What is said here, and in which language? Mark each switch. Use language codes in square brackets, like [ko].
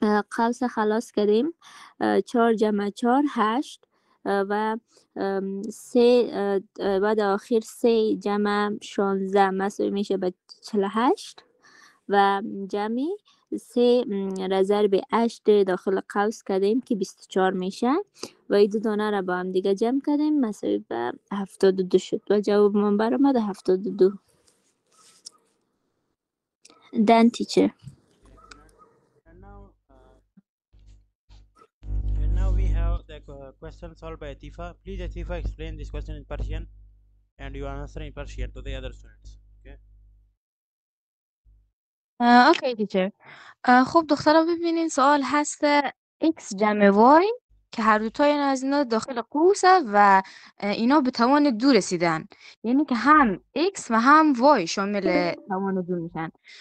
[fa] قوس خلاص کردیم چار جمع چار هشت و سه و در آخر سه جمع شانزه مساوی میشه به چهل هشت و جمعی سه رزر به هشت داخل قوس کردیم که 24 میشه و این دو دانه را با هم دیگه جمع کردیم مساوی به 72 شد و جواب من برامد 72 [en] دن تیچه And now we have the question solved by Atifa. Please Atifa explain this question in Persian and you answer in Persian to the other students. [fa] اوکی دیچه خب دخترها ببینین سوال هست x جمع y که هر دوتای این از اینا داخل قوسه و اینا به توان دو رسیدن یعنی که هم x و هم y شامل توان دو میشن